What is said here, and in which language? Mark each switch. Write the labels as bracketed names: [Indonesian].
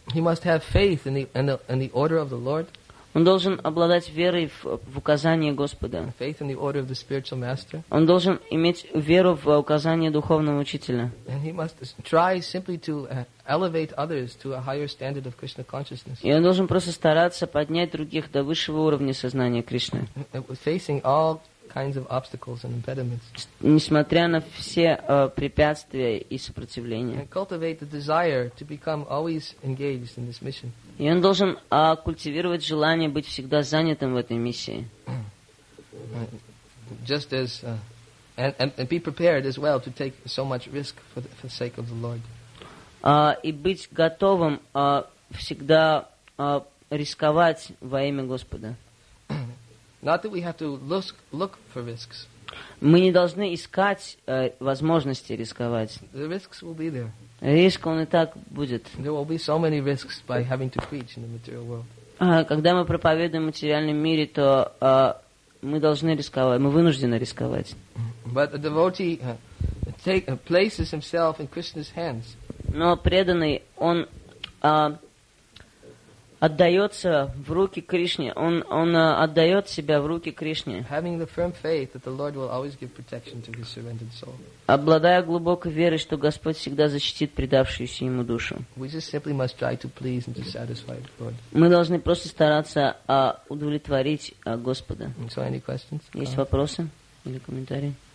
[English] He must have faith in the order of the Lord. [Russian] Он должен обладать верой в указание Господа. [English] Faith in the order of the spiritual master. [Russian] Он должен иметь веру в указание духовного учителя. [English] And he must try simply to elevate others to a higher standard of Krishna consciousness. [Russian] И он должен просто стараться поднять других до высшего уровня сознания Кришны. [English] Facing all kinds of obstacles and impediments. [Russian] Несмотря на все препятствия и сопротивления. [English] And cultivate the desire to become always engaged in this mission. [Russian] И он должен культивировать желание быть всегда занятым в этой миссии. [English] Just as and be prepared as well to take so much risk for the sake of the Lord. [Russian] И быть готовым всегда рисковать во имя Господа. [English] Not that we have to look for risks. [Russian] Мы не должны искать возможности рисковать. [English] The risks will be there. [Russian] Риск он и так будет. [English] There will be so many risks by having to preach in the material world. [Russian] Когда мы проповедуем в материальном мире, то мы должны рисковать, мы вынуждены рисковать. [English] But a devotee places himself in Krishna's hands. [Russian] Но преданный, он отдается в руки Кришне. Он отдает себя в руки Кришне. [English] Having the firm faith that the Lord will always give protection to his surrendered soul. [Russian] Обладая глубокой верой, что Господь всегда защитит предавшуюся ему душу. [English] We just simply must try to please and to satisfy the Lord. [Russian] Мы должны просто стараться удовлетворить Господа. [English] So any questions? [Russian] Есть вопросы или комментарии?